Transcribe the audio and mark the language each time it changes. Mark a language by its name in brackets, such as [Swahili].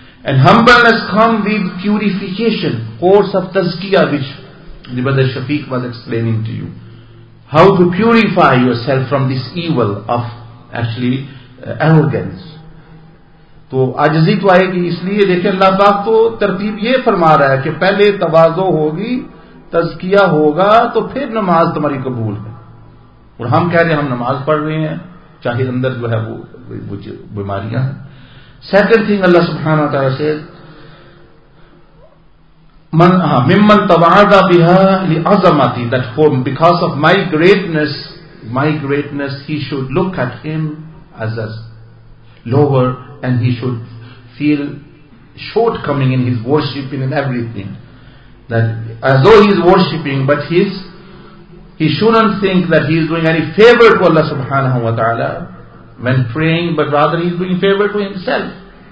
[English] And humbleness come with purification, course of tazkiyah, which the brother Shafiq was explaining to you, how to purify yourself from this evil of actually arrogance. [Urdu] تو عجزی تو آئے گی, اس لیے دیکھیں اللہ پاک تو ترتیب یہ فرما رہا ہے کہ پہلے تواضع ہوگی, تزکیہ ہوگا, تو پھر نماز تمہاری قبول ہے. اور ہم کہہ رہے ہیں ہم نماز پڑھ رہے ہیں چاہے اندر جو ہے وہ بیماریاں ہیں. [English] second thing Allah سبحانہ وتعالیٰ سے [Arabic] ممن تواضع بہا لعظمتی, [English] that for, because of my greatness he should look at him as a lower and he should feel shortcoming in his worshipping and everything, that as though he is worshipping, but he shouldn't think that he is doing any favor to Allah subhanahu wa ta'ala when praying, but rather he is doing favor to himself.